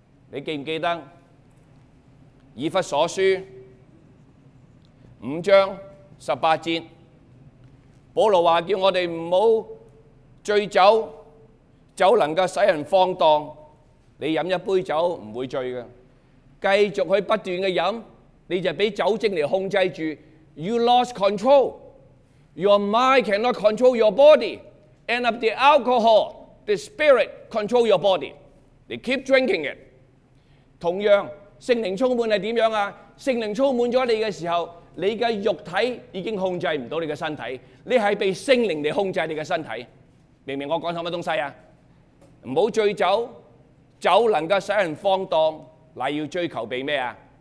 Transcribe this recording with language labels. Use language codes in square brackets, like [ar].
[zh] 你记不记得以弗所书五章十八节，保罗说叫我们不要醉酒，酒能够使人放荡，你喝一杯酒不会醉的，继续去不断的喝，你就被酒精来控制住。 [en] You lost control. Your mind cannot control your body. And of the alcohol, the spirit control your body. They keep drinking it. [zh] 同样，圣灵充满是怎样啊？圣灵充满了你的时候，你的肉体已经控制不到你的身体，你是被圣灵来控制你的身体。明白我讲什么东西啊？不要醉酒，酒能够使人放荡，你要追求被什么啊？